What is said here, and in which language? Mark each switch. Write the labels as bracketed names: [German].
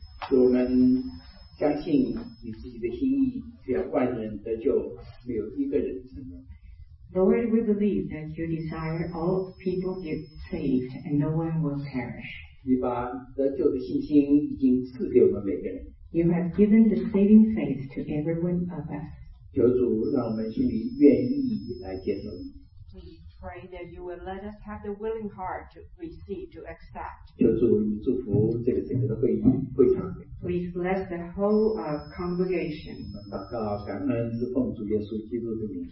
[Chinese] 主，我们相信你自己的心意，只要万人得救，没有一个人沉沦。 [English] Lord, we believe that you desire all people get saved and no one will perish. [Chinese] 你把得救的信心已经赐给我们每个人。 [English] You have given the saving faith to everyone of us. [Chinese] 求主让我们心里愿意来接受你。 [English] We pray that you will let us have the willing heart to receive, to accept. [Chinese] 求主你祝福这个会场。 [English] Please bless the whole congregation. [Chinese] 祷告感恩之奉主耶稣基督的名。